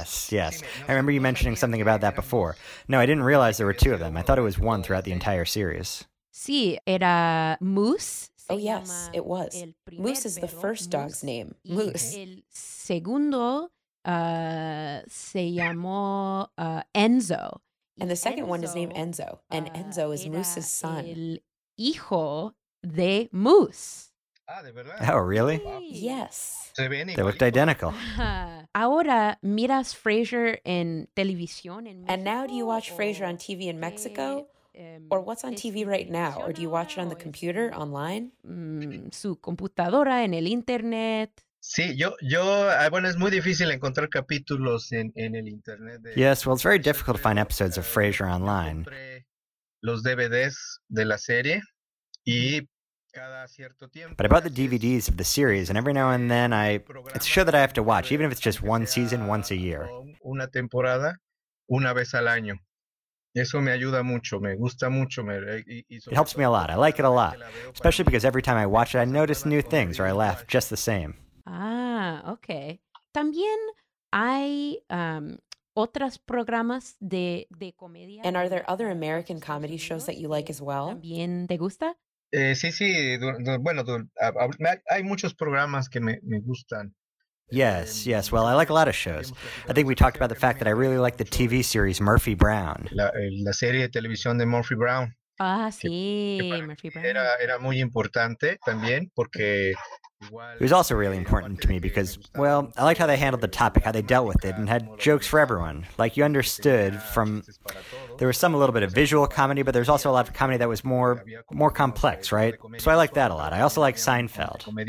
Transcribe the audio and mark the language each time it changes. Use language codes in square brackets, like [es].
[en] I remember you mentioning something about that before. No, I didn't realize there were two of them. I thought it was one throughout the entire series. [es] Sí, era Moose. [en] Oh, yes, it was. Moose is the first dog's name. Moose. [es] El segundo se llamó Enzo. [en] And the second one is named Enzo. And Enzo is Moose's son. [es] El hijo de Moose. [en] Oh, really? Yes. They looked identical. [es] Ahora miras Frasier en televisión en [en] México. And now do you watch Frasier on TV in Mexico? Or what's on TV right now? Or do you watch it on the computer, online? [es] Su computadora, en el internet. Sí, yo, bueno, es muy difícil encontrar capítulos en el internet. [en] Yes, well, it's very difficult to find episodes of Frasier online. [es] Los DVDs de la serie y cada cierto tiempo. [en] But I bought the DVDs of the series, and every now and then it's a show that I have to watch, even if it's just one season once a year. [es] Una temporada, una vez al año. Eso me ayuda mucho, me gusta mucho. [en] It helps me a lot. I like it a lot, especially because every time I watch it, I notice new things or I laugh just the same. Ah, okay. [es] También hay otras programas de comedia. [en] And are there other American comedy shows that you like as well? [es] También te gusta. Sí. Bueno, hay muchos programas que me gustan. [en] Yes, yes. Well, I like a lot of shows. I think we talked about the fact that I really like the TV series Murphy Brown. [es] La serie de televisión de Murphy Brown. Ah, sí, Murphy Brown. Era muy importante también porque... [en] It was also really important to me because, well, I liked how they handled the topic, how they dealt with it, and had jokes for everyone. Like, you understood from... There was some a little bit of visual comedy, but there's also a lot of comedy that was more complex, right? So I liked that a lot. I also like Seinfeld.